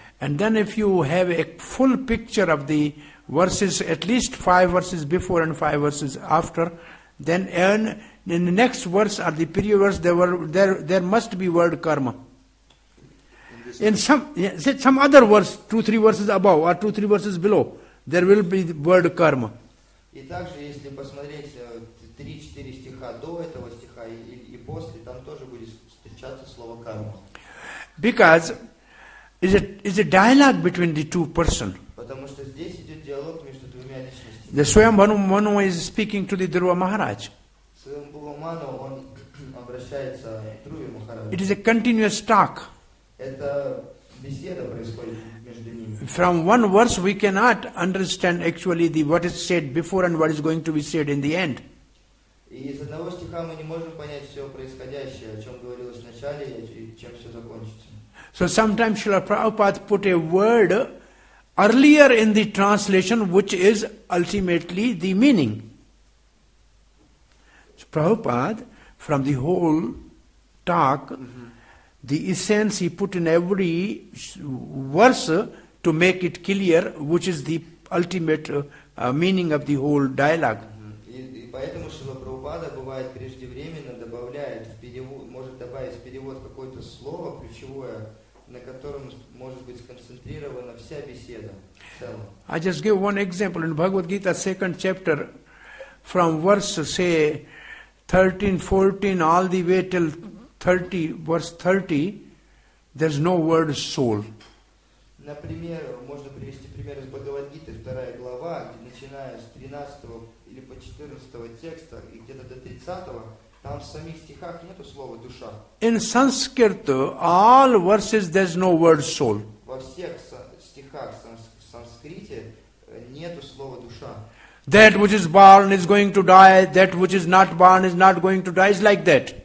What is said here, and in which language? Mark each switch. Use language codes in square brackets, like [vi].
[en] And then if you have a full picture of the verses, at least five verses before and five verses after, then in the next verse or the previous verse, there must be word karma. In some other verse, two, three verses above or two, three verses below, there will be the word karma. [ru] И также, если посмотреть три-четыре стиха до этого стиха и после, там тоже будет встречаться слово карма. [en] Because it's a dialogue between the two persons. [ru] Потому что здесь идет диалог между двумя личностями. [en] The Swayambhu Manu is speaking to the Dhruva Maharaj. [ru] Swayambhu Manu, он обращается к Дхруве Махараджу. [en] It is a continuous talk. [ru] Это беседа происходит между ними. [en] From one verse we cannot understand actually the what is said before and what is going to be said in the end. [ru] И из одного стиха мы не можем понять все происходящее, о чем говорилось в начале и чем все закончится. [en] So sometimes Srila Prabhupada put a word earlier in the translation which is ultimately the meaning. So Prabhupada, from the whole talk, the essence he put in every verse to make it clear, which is the ultimate meaning of the whole dialogue. [ru] И поэтому Шрила Прабхупада бывает преждевременно добавляет в перевод, может добавить в перевод какое-то слово ключевое, на которое котором может быть сконцентрирована вся беседа. [en] I just give one example in Bhagavad Gita, second chapter, from verse say 13, 14, all the way till 30, verse 30, there's no word soul. [ru] Например, можно привести пример из Бхагавад Гиты, вторая глава, где начиная с 13 или по 14 текста и где-то до 30, там в самих стихах нету слова душа. [en] In Sanskrit, all verses there's no word soul. [ru] Во всех стихах в санскрите нету слова душа. [en] That which is born is going to die, that which is not born is not going to die, is like that.